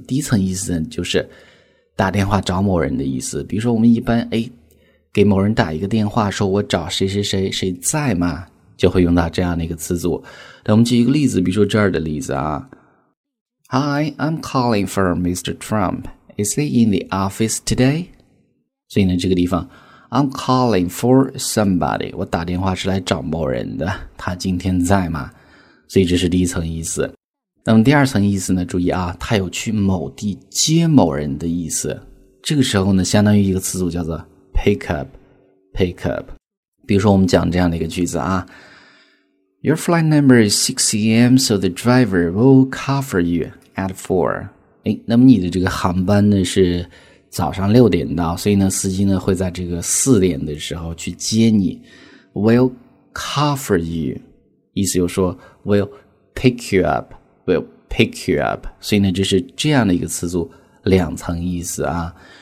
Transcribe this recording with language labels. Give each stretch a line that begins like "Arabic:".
Chinese: 第一层意思呢就是打电话找某人的意思，比如说我们一般给某人打一个电话，说我找谁谁谁谁在吗，就会用到这样的一个词组。那我们举一个例子，比如说这儿的例子啊，
English: Hi, I'm calling for Mr. Trump. Is he in the office today?
Chinese: 所以呢这个地方
English: I'm calling for somebody，
Chinese: 我打电话是来找某人的，他今天在吗？所以这是第一层意思。那么第二层意思呢，注意啊，它有去某地接某人的意思。这个时候呢相当于一个词组叫做 pick up。比如说我们讲这样的一个句子啊，
English: Your flight number is 6 a.m. so the driver will cover you at 4.
Chinese: 那么你的这个航班呢是早上6点到，所以呢司机呢会在这个4点的时候去接你，
English: will cover you，
Chinese: 意思就是说
English: will pick you up。
Chinese: 所以呢这是这样的一个词组，两层意思啊。